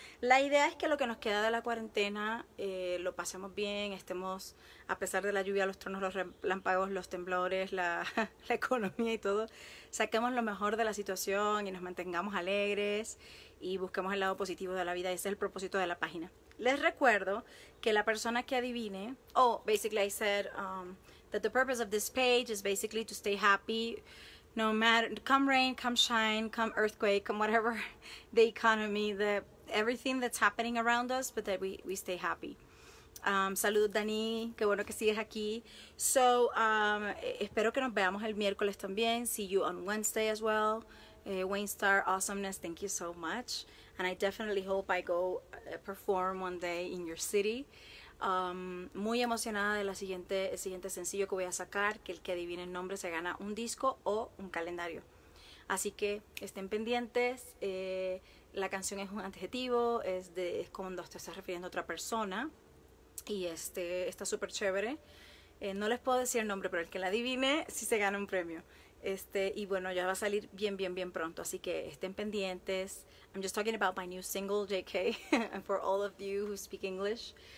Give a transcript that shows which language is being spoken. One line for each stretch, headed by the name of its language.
Spanish: La idea es que lo que nos queda de la cuarentena lo pasemos bien, estemos, a pesar de la lluvia, los truenos, los relámpagos, los temblores, la economía y todo, saquemos lo mejor de la situación y nos mantengamos alegres y busquemos el lado positivo de la vida. Ese es el propósito de la página. Les recuerdo que la persona que adivine,
English: basically I said, that the purpose of this page is basically to stay happy, no matter, come rain, come shine, come earthquake, come whatever, the economy, the everything that's happening around us, but that we stay happy.
Spanish: Saludos, Dani, qué bueno que sigues aquí. So, espero que nos veamos el miércoles también.
English: See you on Wednesday as well. Wayne Star, awesomeness, thank you so much. And I definitely hope I go perform one day in your city.
Spanish: Muy emocionada de el siguiente sencillo que voy a sacar, que el que adivine el nombre se gana un disco o un calendario. Así que estén pendientes. La canción es un adjetivo, es cuando usted está refiriendo a otra persona. Y está súper chévere. No les puedo decir el nombre, pero el que la adivine sí se gana un premio. Y bueno, ya va a salir bien, bien, bien pronto. Así que estén pendientes.
English: I'm just talking about my new single, JK, and for all of you who speak English.